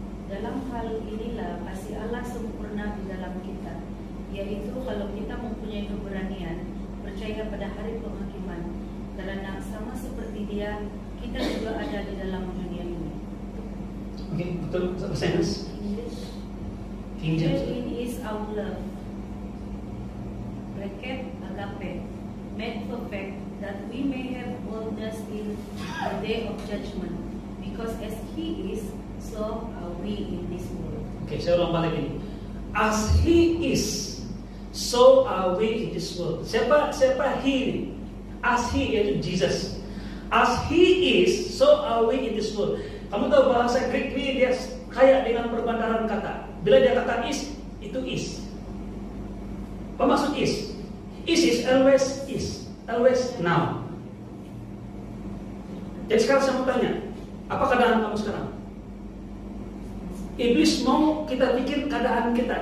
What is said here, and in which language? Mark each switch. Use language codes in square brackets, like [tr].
[id] Dalam hal inilah kasih Allah sempurna di dalam kita, yaitu kalau kita mempunyai keberanian percaya pada hari penghakiman, karena sama seperti Dia, kita juga ada di dalam dunia ini. Okay, betul. Bahasa Inggris. [en] Herein is our love, bracket agape, made perfect, that we may have boldness in the day of judgment, because as He is, so are we in this world. [id] Okay, saya ulang balik ini. [en] As He is, so are we in this world. Siapa He? As He, yaitu Jesus. As He is, so are we in this world. [id] Kamu tahu bahasa Greek ini dia kaya dengan perbandaran kata. Bila dia kata is, itu is. Apa maksud is? [en] Is always is, always now. [id] Jadi sekarang saya mau tanya, apa keadaan kamu sekarang? Iblis mau kita pikir keadaan kita.